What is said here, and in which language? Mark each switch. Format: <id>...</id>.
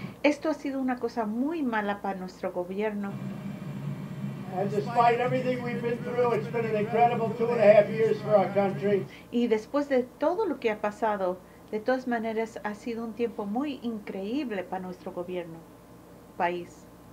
<es>Esto ha sido una cosa muy mala para nuestro gobierno.</es> <en>And despite everything we've been through, it's been an incredible 2.5 years for our country.</en> <es>Y después de todo lo que ha pasado, de todas maneras ha sido un tiempo muy increíble para nuestro gobierno, país.</es>